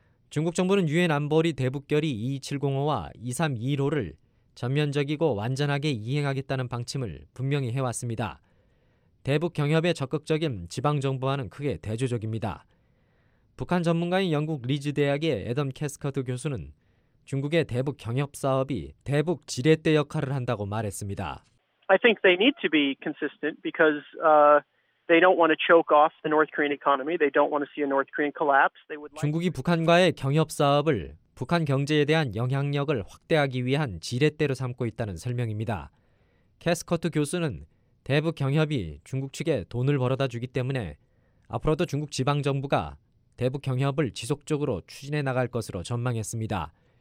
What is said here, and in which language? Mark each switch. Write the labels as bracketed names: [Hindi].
[Korean] 중국 정부는 유엔 안보리 대북결의 2705와 2325를 전면적이고 완전하게 이행하겠다는 방침을 분명히 해왔습니다. 대북 경협에 적극적인 지방정부와는 크게 대조적입니다. 북한 전문가인 영국 리즈 대학의 애덤 캐스커드 교수는 중국의 대북 경협 사업이 대북 지렛대 역할을 한다고 말했습니다. [English] I think they need to be consistent because they don't want to choke off the North Korean economy. They don't want to see a North Korean collapse. They would like [Korean] 중국이 북한과의 경협 사업을 북한 경제에 대한 영향력을 확대하기 위한 지렛대로 삼고 있다는 설명입니다. 캐스커트 교수는 대북 경협이 중국 측에 돈을 벌어다 주기 때문에 앞으로도 중국 지방 정부가 대북 경협을 지속적으로 추진해 나갈 것으로 전망했습니다.